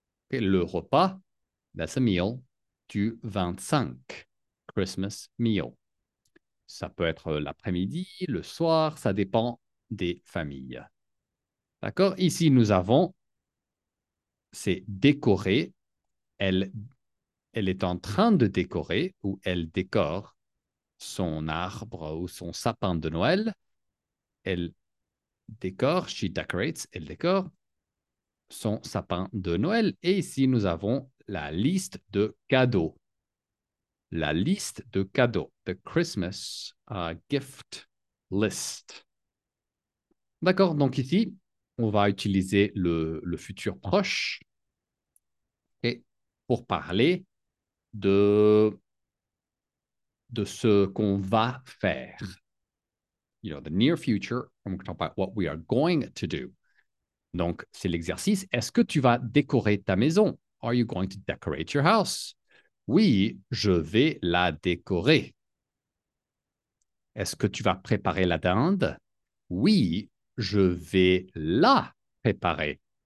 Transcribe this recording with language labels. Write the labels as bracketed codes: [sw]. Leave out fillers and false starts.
[en] Okay, [fr] le repas, [en] that's a meal, [fr] du 25, [en] Christmas meal. [fr] Ça peut être l'après-midi, le soir, ça dépend des familles. D'accord? Ici, nous avons, c'est décorer. Elle est en train de décorer ou elle décore son arbre ou son sapin de Noël. Elle décore, [en] she decorates, [fr] elle décore son sapin de Noël. Et ici, nous avons la liste de cadeaux. La liste de cadeaux. [en] The Christmas gift list. [fr] D'accord, donc ici, on va utiliser le futur proche pour parler de ce qu'on va faire. [en] You know, the near future, I'm going to talk about what we are going to do. [fr] Donc, c'est l'exercice. Est-ce que tu vas décorer ta maison? [en] Are you going to decorate your house? [fr] Oui, je vais la décorer. Est-ce que tu vas préparer la dinde? Oui, je vais la préparer.